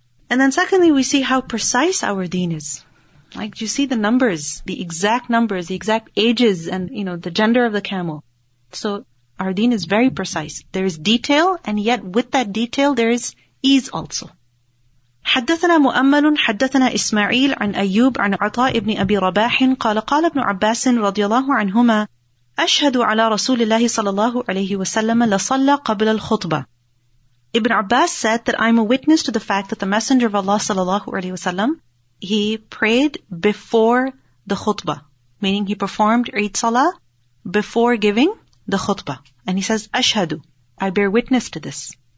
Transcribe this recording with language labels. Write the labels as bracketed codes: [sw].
[en] And then secondly, we see how precise our deen is. Like, you see the numbers, the exact numbers, the exact ages, and, you know, the gender of the camel. So our deen is very precise. There is detail, and yet with that detail, there is ease also. [ar] حدثنا مؤمل حدثنا إسماعيل عن أيوب عن عطاء بن أبي رباح قال قال ابن عباس رضي الله عنهما أشهد على رسول الله صلى الله عليه وسلم لصلى قبل الخطبة. [en] Ibn Abbas said that I'm a witness to the fact that the Messenger of Allah [ar] صلى الله عليه وسلم, [en] he prayed before the khutbah, meaning he performed Eid Salah before giving the khutbah. And he says, [ar] أشهد, [en] I bear witness to this.